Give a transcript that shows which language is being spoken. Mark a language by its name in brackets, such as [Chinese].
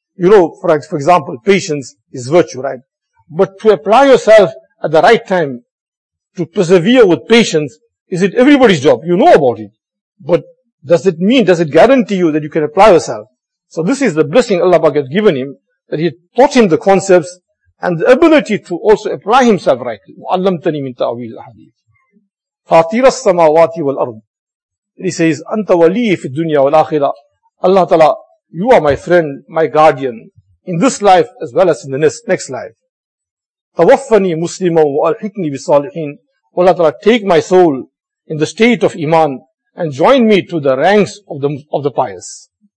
[English] You know, for example, patience is virtue, right? But to apply yourself at the right time, to persevere with patience, is it everybody's job? You know about it. But does it guarantee you that you can apply yourself? So this is the blessing Allah Pak has given him, that he taught him the concepts and the ability to also apply himself rightly. [Arabic] وَعَلَّمْتَنِي مِنْ تَعْوِيلِ الْحَدِيثِ فَاطِرَ السَّمَاوَاتِ وَالْأَرْضِ. [English] He says, [Arabic] أَنْتَ وَلِيِّ فِي الدُّنْيَا وَالْآخِرَةِ. [English] Allah Ta'ala, you are my friend, my guardian, in this life as well as in the next life. [Arabic] تَوَفَّنِي مُسْلِمًا وَأَلْحِقْنِي بِالصَّالِحِينَ. [English] Allah Ta'ala, take my soul in the state of Iman and join me to the ranks of the pious.